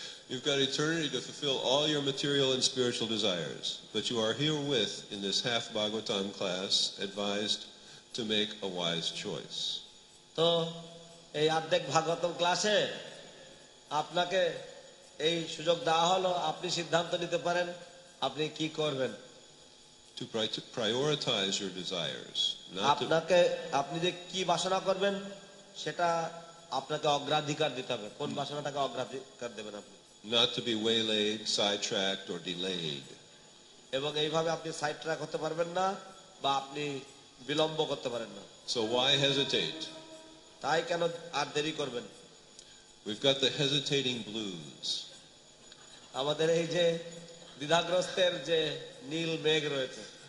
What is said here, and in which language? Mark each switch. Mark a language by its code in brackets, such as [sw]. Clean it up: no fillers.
[en] You've got eternity to fulfill all your material and spiritual desires, but you are here with, in this half Bhagavatam class, advised to make a wise choice. [bn] So, এই অর্ধেক ভাগবতম ক্লাসে আপনাকে এই সুযোগ দেওয়া হলো আপনি সিদ্ধান্ত নিতে পারেন আপনি কি করবেন. [en] To prioritize your desires. [bn] আপনাকে আপনি যে কি বাসনা করবেন সেটা আপনাকে অগ্রাধিকার দিতে হবে কোন বাসনাটাকে অগ্রাধিকার দেবেন আপনি. [en] Not to be waylaid, sidetracked, or delayed. [bn] এবং এইভাবে আপনি সাইডট্র্যাক হতে পারবেন না বা আপনি বিলম্ব করতে পারবেন না. [en] So why hesitate? [bn] তাই কেন আর দেরি করবেন? [en] We've got the hesitating blues. [bn] আমাদের এই যে দ্বিধাগ্রস্তের যে নীল মেঘ রয়েছে.